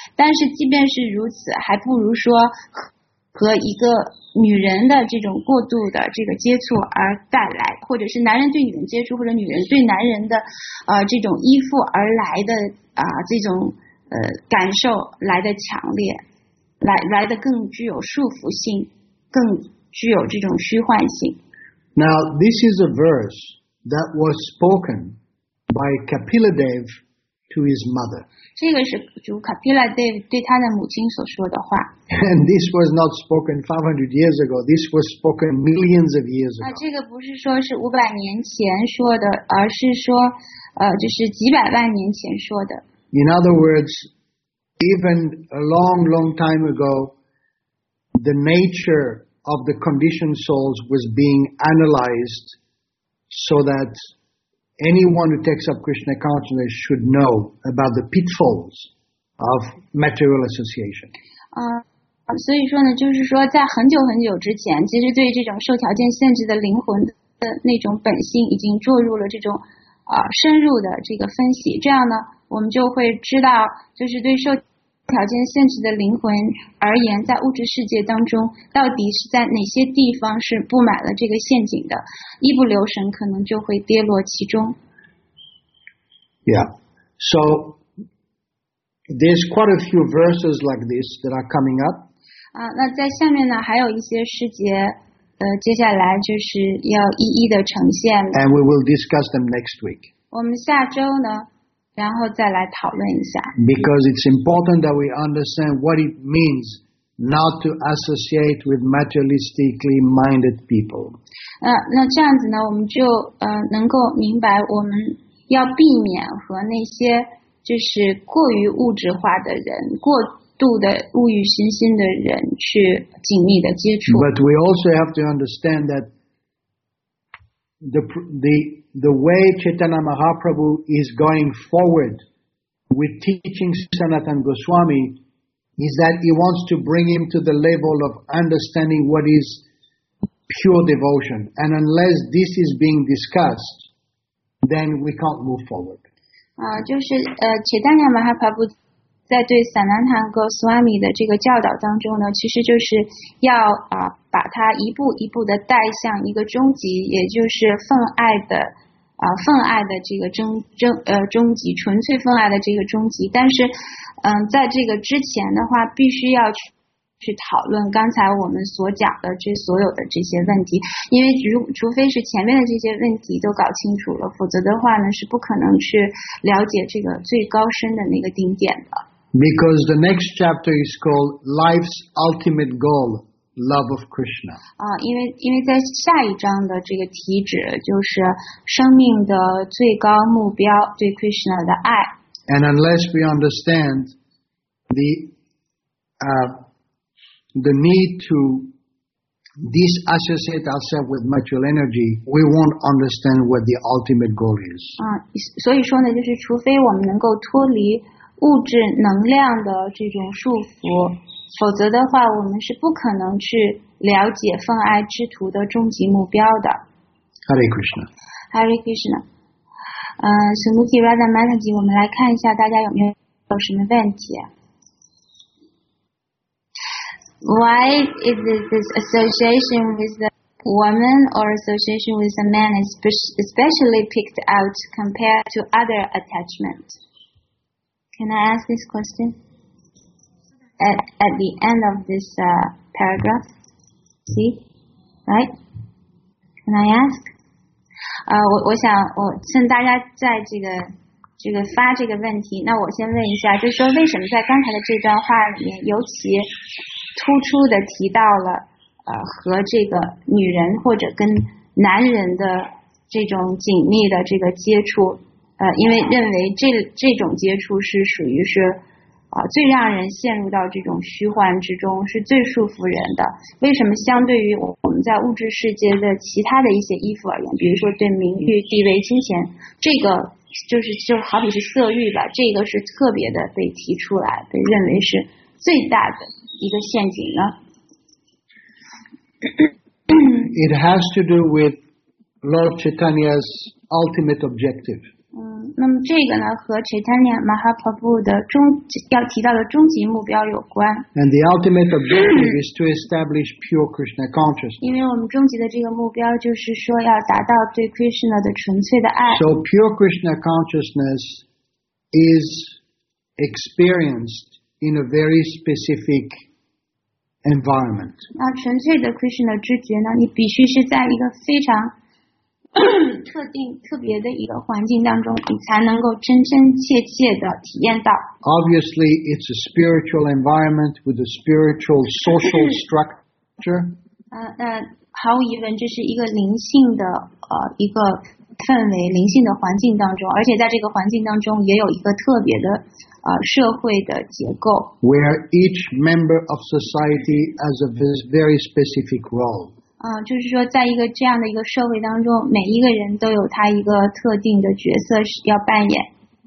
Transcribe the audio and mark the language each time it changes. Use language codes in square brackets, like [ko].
[zh] 但是即便是如此，还不如说和一个女人的这种过度的这个接触而带来，或者是男人对女人接触，或者女人对男人的这种依附而来的这种感受来的强烈，来的更具有束缚性，更具有这种虚幻性。 [en] Now this is a verse that was spoken by Kapila Dev to his mother. [zh] 这个是主 Kapila Dev 对他的母亲所说的话。 [en] And this was not spoken 500 years ago. This was spoken millions of years ago. [zh] 这个不是说是500年前说的，而是说就是几百万年前说的。 [en] In other words, even a long, long time ago, the nature of the conditioned souls was being analyzed so that anyone who takes up Krishna consciousness should know about the pitfalls of material association. [zh] 所以说呢，就是说在很久很久之前，其实对这种受条件限制的灵魂的那种本性已经做入了这种深入的这个分析，这样呢我们就会知道，就是对受条件限制的灵魂而言，在物质世界当中到底是在哪些地方是布满了这个陷阱的，一不留神可能就会跌落其中。 [en] Yeah, so there's quite a few verses like this that are coming up. [zh] 那在下面呢还有一些诗节接下来就是要一一的呈现。 [en] And we will discuss them next week. [zh] 我们下周呢然后再来讨论一下。 [en] Because it's important that we understand what it means not to associate with materialistically minded people. [zh] 那这样子呢我们就能够明白我们要避免和那些就是过于物质化的人，过度的物欲熏心的人去紧密的接触。 [en] But we also have to understand that the way Chaitanya Mahaprabhu is going forward with teaching Sanatana Goswami is that he wants to bring him to the level of understanding what is pure devotion. And unless this is being discussed, then we can't move forward. [zh] Chaitanya Mahaprabhu 在对 Sanatana Goswami 的这个教导当中呢，其实就是要把他一步一步的带向一个终极，也就是奉爱的奉爱的这个终极，纯粹奉爱的这个终极。但是在这个之前的话，必须要去讨论刚才我们所讲的这所有的这些问题，因为除非是前面的这些问题都搞清楚了，否则的话呢是不可能去了解这个最高深的那个顶点的。 [en] Because the next chapter is called Life's Ultimate Goal, Love of Krishna. [zh] 因为在下一章的这个题旨就是生命的最高目标，对 Krishna 的爱。 [en] And unless we understand the need to disassociate ourselves with material energy, we won't understand what the ultimate goal is. [zh] 所以说呢，就是除非我们能够脱离物质能量的这种束缚，否则的话我们是不可能去了解奉爱之徒的终极目标的。 [en] Hare Krishna. [zh] Hare Krishna. Srimati Radha Mataji, 我们来看一下大家有没有什么问题。 [en] Why is this association with the woman or association with the man is especially picked out compared to other attachment? Can I ask this question at the end of this paragraph? See, right? Can I ask? [zh] 我想我趁大家在这个发这个问题，那我先问一下，就是说为什么在刚才的这段话里面，尤其突出的提到了和这个女人或者跟男人的这种紧密的这个接触，因为认为这种接触是属于是最让人陷入到这种虚幻之中，是最束缚人的。为什么相对于我们在物质世界的其他的一些衣服而言，比如说对名誉、地位、金钱，这个就好比是色欲吧，这个是特别的被提出来，被认为是最大的一个陷阱呢？ [en] It has to do with Lord Chaitanya's ultimate objective. [zh] 那么这个呢和 Chaitanya Mahaprabhu 的要提到的终极目标有关。 [en] And the ultimate objective is to establish pure Krishna consciousness. [zh] 因为我们终极的这个目标就是说要达到对 Krishna 的纯粹的爱。 [en] So pure Krishna consciousness is experienced in a very specific environment. [zh] 那纯粹的 Krishna 知觉呢，你必须是在一个非常特定特别的一个环境当中，你才能够真真切切的体验到。 [en] Obviously it's a spiritual environment with a spiritual social structure. [zh] 毫无疑问这是一个灵性的一个氛围，灵性的环境当中，而且在这个环境当中也有一个特别的社会的结构。 [en] Where each member of society has a very specific role. [zh] 就是说在一个这样的一个社会当中，每一个人都有他一个特定的角色要扮演。